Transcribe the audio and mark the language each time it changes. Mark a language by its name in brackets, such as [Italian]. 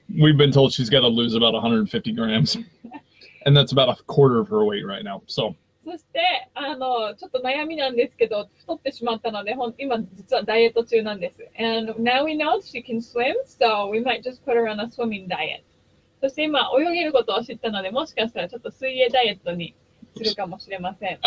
[English] We've been told she's got to lose about 150 grams. And that's about a quarter of her weight right now. So, [Japanese] そしてちょっと悩みなんですけど、太ってしまったので、今実はダイエット中なんです。 [English] And now we know she can swim, so we might just put her on a swimming diet. [Japanese] そして今泳げることを知ったので、もしかしたらちょっと水泳ダイエットにするかもしれません。